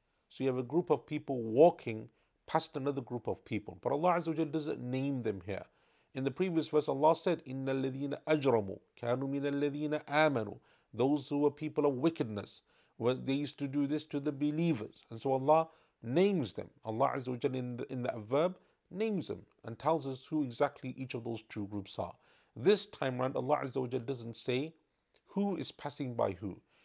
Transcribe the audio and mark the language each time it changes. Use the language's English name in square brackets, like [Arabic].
[English] So you have a group of people walking past another group of people. But Allah Azza wa Jalla doesn't name them here. In the previous verse, Allah said, [Arabic] إِنَّ الَّذِينَ أَجْرَمُوا كَانُوا مِنَ الَّذِينَ آمَنُوا. [English] Those who were people of wickedness, well, they used to do this to the believers. And so Allah names them. Allah Azza wa Jalla in that verb, names them and tells us who exactly each of those two groups are. This time round, Allah Azza wa Jalla doesn't say who is passing by who.